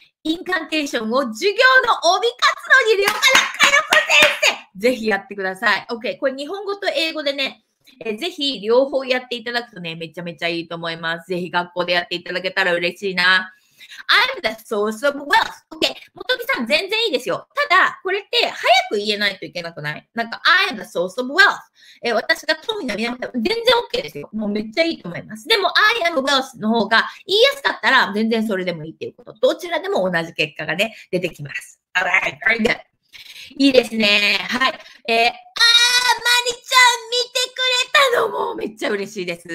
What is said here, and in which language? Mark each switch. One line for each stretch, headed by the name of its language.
Japanese: インカンテーションを授業の帯活動に入れようかな、かよこ先生ぜひやってください。
English: OK。
Japanese: これ日本語と英語でね、ぜひ両方やっていただくとね、めちゃめちゃいいと思います。ぜひ学校でやっていただけたら嬉しいな。
English: I'm the source of wealth. OK。
Japanese: もとみさん、全然いいですよ。ただ、これって早く言えないといけなくない？
English: なんか、I'm the source of wealth.
Japanese: 私が富の源、全然 OK ですよ。もうめっちゃいいと思います。でも、
English: I am wealth
Japanese: の方が言いやすかったら、全然それでもいいっていうこと。どちらでも同じ結果がね、出てきます。
English: Alright, very good.
Japanese: いいですね。はい。マリちゃん見てくれたのもめっちゃ嬉しいです。